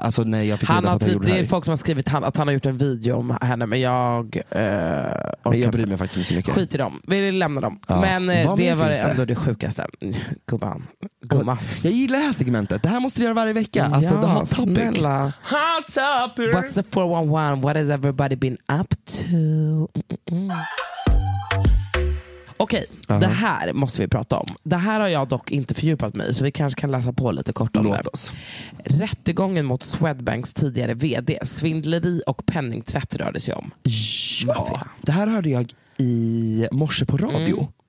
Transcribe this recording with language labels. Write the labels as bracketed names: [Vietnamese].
[Swedish] Alltså när jag fick reda på att han gjorde det här. Det är folk som har skrivit att han har gjort en video om henne. Men jag bryr mig faktiskt inte så mycket. Skit i dem, vi lämnar dem. Ja. Men det var ändå det sjukaste. Gubban, gumma. Jag gillar det här segmentet, det här måste du göra varje vecka. Alltså ja, [English] the hot topic. [Swedish] Snälla. [English] Hot topic. What's the 411, what has everybody been up to? [Swedish] Okej, uh-huh. Det här måste vi prata om. Det här har jag dock inte fördjupat mig, så vi kanske kan läsa på lite kort om det. Rättegången mot Swedbanks tidigare vd, svindleri och penningtvätt rörde sig om. Ja, det här hörde jag i morse på radio. Mm.